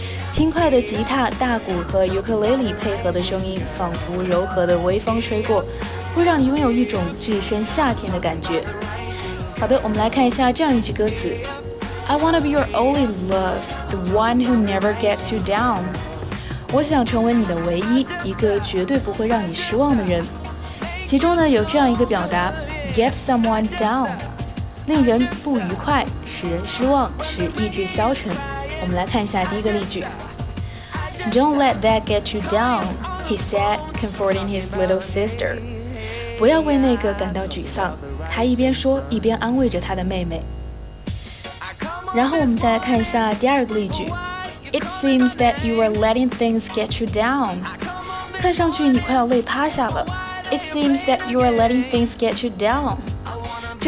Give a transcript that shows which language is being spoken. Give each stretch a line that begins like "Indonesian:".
Chinese: 轻快的吉他、大鼓和尤克里里配合的声音，仿佛柔和的微风吹过，会让你拥有一种置身夏天的感觉。好的，我们来看一下这样一句歌词。
English: I wanna be your only love, the one who never gets you down.
Chinese: 我想成为你的唯一，一个绝对不会让你失望的人。其中呢有这样一个表达 ，
English: get someone down，
Chinese: 令人不愉快，使人失望，使意志消沉。我们来看一下第一个例句。
English: Don't let that get you down, he said, comforting his little sister.
Chinese: 不要为那个感到沮丧，他一边说一边安慰着他的妹妹。然后我们再来看一下第二个例句。
English: It seems that you are letting things get you down，
Chinese: 看上去你快要累趴下了。
English: It seems that you are letting things get you down， 这